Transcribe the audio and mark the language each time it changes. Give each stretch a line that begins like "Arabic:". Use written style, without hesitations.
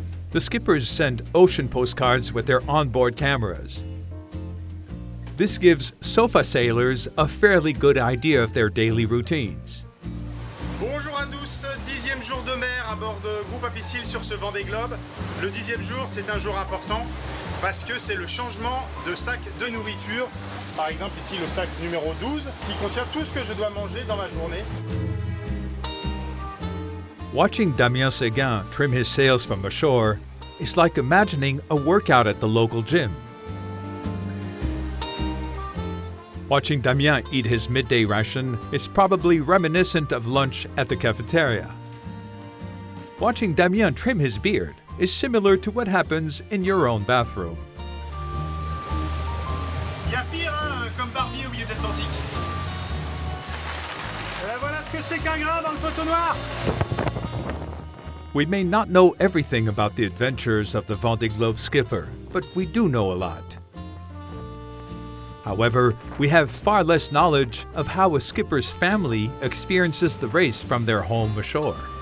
English: The skippers send ocean postcards with their onboard cameras. This gives sofa sailors a fairly good idea of their daily routines.
French: Bonjour à tous, dixième jour de mer à bord de Groupe Apicil sur ce Vendée Globe. Le dixième jour, c'est un jour important parce que c'est le changement de sac de nourriture. Par exemple ici le sac numéro 12 qui contient tout ce que je dois manger dans ma journée.
English: Watching Damien Séguin trim his sails from ashore is like imagining a workout at the local gym. Watching Damien eat his midday ration is probably reminiscent of lunch at the cafeteria. Watching Damien trim his beard is similar to what happens in your own bathroom.
French: Il y a pire, hein, comme Barbie au milieu de l'Atlantique. Voilà ce que c'est qu'un gras dans le poteau noir.
English: We may not know everything about the adventures of the Vendée Globe skipper, but we do know a lot. However, we have far less knowledge of how a skipper's family experiences the race from their home ashore.